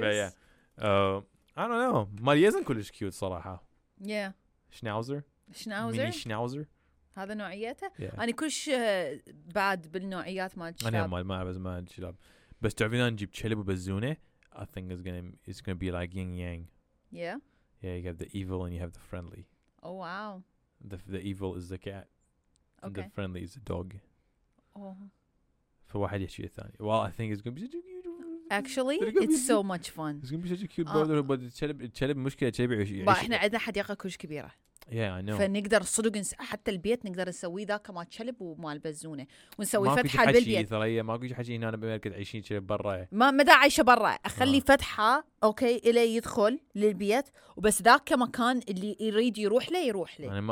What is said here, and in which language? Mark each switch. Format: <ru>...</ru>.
<en>But yeah, I don't know.</en> <ar>ماليزن كلش كيوت صراحة.</ar> <en>Yeah. Schnauzer. Schnauzer. Mini Schnauzer.</en> <ar>هذا نوعيته</ar> <en>yeah.</en> <ar>أنا كلش بعد بالنوعيات مال الشلاب أنا ما بس مال الشلاب بس تعرفين أنا نجيب شلب وبزونة</ar> <en>I think it's gonna be like yin yang yeah yeah you have the evil and you have the friendly oh wow the evil is the cat okay. the friendly is the dog oh</en> <ar>فواحد يشيء ثاني</ar> <en>well I think it's gonna be such a cute actually it's so much fun it's gonna be such a cute brother but</en> <ar>الشلب مشكلة شلب يعيش إحنا عندنا حديقة كلش كبيرة</ar> <en>Yeah, I know.</en> <ar>فنقدر صدق حتى البيت نقدر نسوي ذاك ما تشلب وما البزونة ونسوي فتحة بالبيت. ما كنت حاجة هنا بأمريكا عايشين تشلب برا. ما دا عايشة برا. أخلي فتحة أوكي إلي يدخل للبيت وبس ذاك مكان اللي يريد يروح له يروح له.</ar>